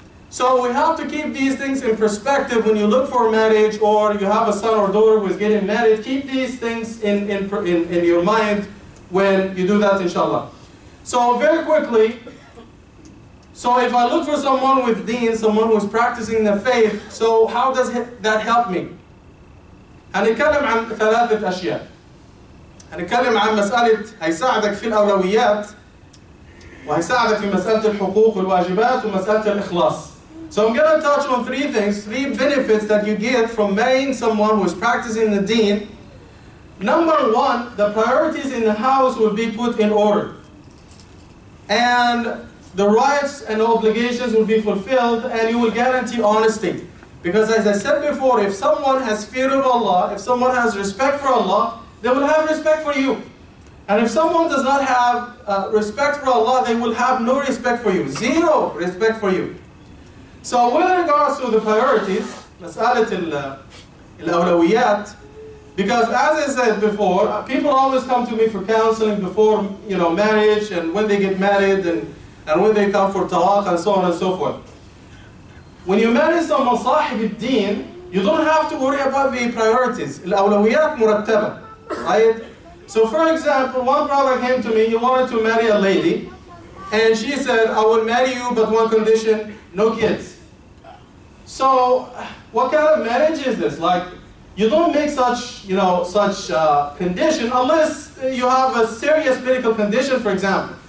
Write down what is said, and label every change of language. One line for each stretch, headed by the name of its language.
English: So we have to keep these things in perspective when you look for marriage or you have a son or daughter who is getting married. Keep these things in your mind when you do that, inshallah. So very quickly, so if I look for someone with deen, someone who is practicing the faith, so how does that help me?
Arabic: هنتكلم عن ثلاثة أشياء. هنتكلم عن مسألة هيساعدك في الأولويات وهيساعدك في مسألة الحقوق والواجبات ومسألة الإخلاص.
English: So I'm going to touch on three things, three benefits that you get from marrying someone who is practicing the deen. Number one, the priorities in the house will be put in order. And the rights and obligations will be fulfilled, and you will guarantee honesty. Because as I said before, if someone has fear of Allah, if someone has respect for Allah, they will have respect for you. And if someone does not have respect for Allah, they will have no respect for you. Zero respect for you. So with regards to the priorities,
Arabic: مسألة الأولويات,
English: because as I said before, people always come to me for counseling before, you know, marriage and when they get married and when they come for talaq and so on and so forth. When you marry someone
Arabic: صاحب الدين,
English: you don't have to worry about the priorities.
Arabic: الأولويات مرتبة,
English: right? So for example, one brother came to me, he wanted to marry a lady, and she said, I will marry you but one condition, no kids. So, what kind of marriage is this? Like, you don't make such condition unless you have a serious medical condition, for example.